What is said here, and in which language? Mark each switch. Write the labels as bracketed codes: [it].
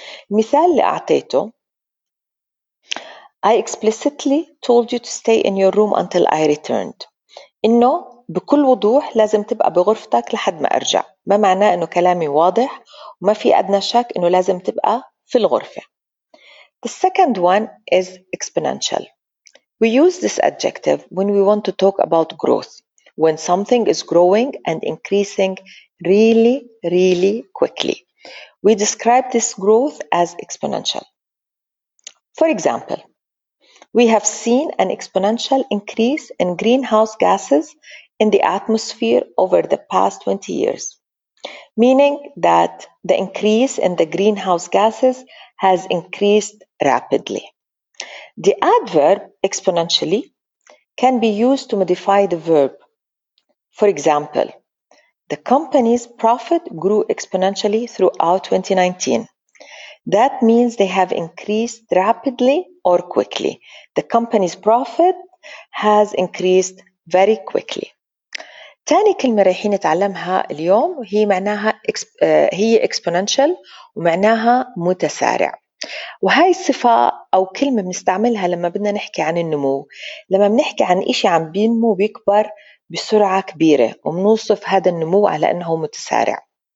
[ar] المثال اللي أعطيته [en] I explicitly told you to stay in your room until I returned. [ar] إنه بكل وضوح لازم تبقى بغرفتك لحد ما أرجع، ما معناه إنه كلامي واضح وما في أدنى شك إنه لازم تبقى في الغرفة. [en] The second one is exponential. We use this adjective when we want to talk about growth, when something is growing and increasing really, really quickly. We describe this growth as exponential. For example, we have seen an exponential increase in greenhouse gases in the atmosphere over the past 20 years, meaning that the increase in the greenhouse gases has increased rapidly. The adverb exponentially can be used to modify the verb. For example, the company's profit grew exponentially throughout 2019. That means they have increased rapidly or quickly. The company's profit has increased very quickly. [ar] تاني كلمة رايحين نتعلمها اليوم هي معناها هي exponential ومعناها متسارع. وهاي الصفة أو كلمة بنستعملها لما بدنا نحكي عن النمو، لما بنحكي عن إشي عم بينمو بيكبر بسرعة كبيرة، وبنوصف هذا النمو على أنه متسارع.